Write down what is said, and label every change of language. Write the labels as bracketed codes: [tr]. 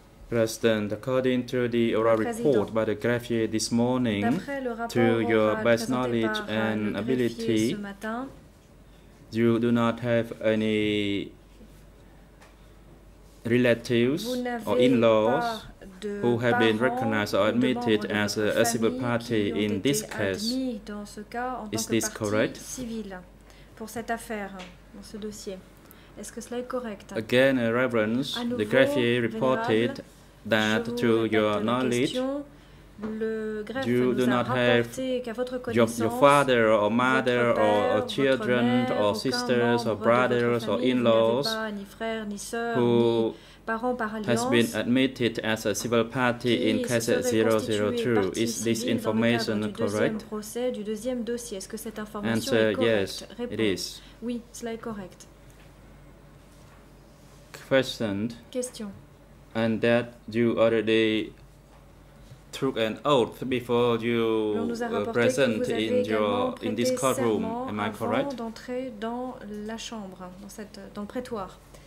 [en] President, according to the oral report by the greffier this morning, to your best knowledge and ability, you do not have any relatives or in-laws who have been recognized or admitted as a civil party in this case. Is this correct? [fr] Pour cette affaire, dans ce dossier, est-ce que cela est correct? [en] Again, Reverence, the greffier reported that to your knowledge, you do not have your father or mother or children or sisters or brothers or in-laws who has been admitted as a civil party in case 002. Is this information correct? Answer, yes, it is. [fr] Oui, cela est correct. [en] Question. And that you already took an oath before you present in this courtroom, am I correct? [fr] Avant d'entrer dans la chambre, dans le prétoire.